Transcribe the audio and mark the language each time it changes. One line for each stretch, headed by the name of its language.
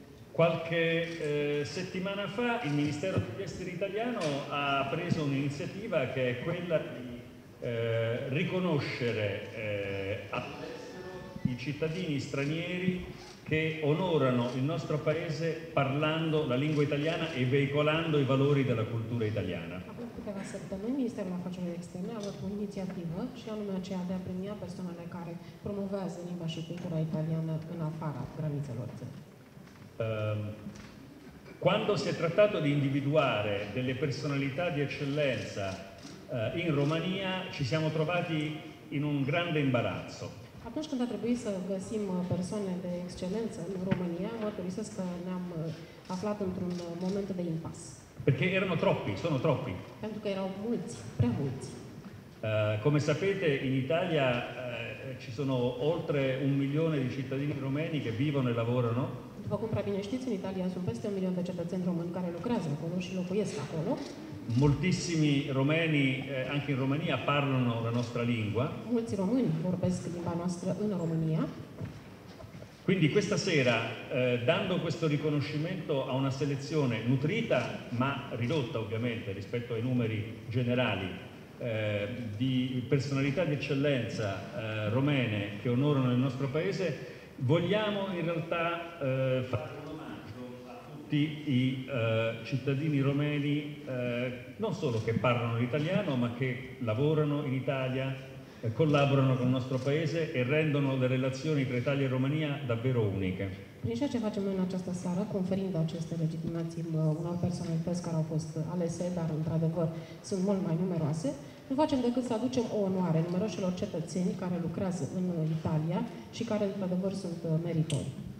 Italian: Qualche settimana fa il Ministero degli Esteri italiano ha preso un'iniziativa che è quella di riconoscere i cittadini stranieri che onorano il nostro paese parlando la lingua italiana e veicolando i valori della cultura italiana.
Romanian: Câteva săptămâni, Ministerul Afacerilor Externe a avut o inițiativă și anume aceea de a premia persoanele care promovează limba și cultura italiană în afara granițelor țării.
Italian: Quando si è trattato di individuare delle personalità di eccellenza in Romania, ci siamo trovati in un grande imbarazzo.
Romanian: Atunci când a trebuit să găsim persoane de excelență în România, mă turisesc că ne-am aflat într-un moment de impas.
Italian: Perché erano troppi, sono troppi.
Romanian: Pentru că erau mulți, prea mulți.
Italian: Come sapete, in Italia ci sono oltre un milione di cittadini romeni che vivono e lavorano.
Romanian: După cum prea bine știți, în Italia sunt peste un milion de cetățeni români care lucrează acolo și locuiesc acolo.
Italian: Moltissimi romeni, anche in Romania, parlano la nostra lingua. Molti romani parlano la nostra lingua in Romania. Quindi questa sera, dando questo riconoscimento a una selezione nutrita, ma ridotta ovviamente rispetto ai numeri generali, di personalità di eccellenza romene che onorano il nostro paese, vogliamo in realtà fare tutti i cittadini romeni non solo che parlano l'italiano ma che lavorano in Italia, collaborano con il nostro paese e rendono le relazioni tra Italia e Romania davvero uniche.
Romanian: Prin ceea ce facem noi în această seară, conferind aceste legitimații unor personalități care au fost alese, dar într-adevăr sunt mult mai numeroase, nu facem decât să aducem o onoare numeroșilor cetățeni care lucrează în Italia și care într-adevăr sunt meritori.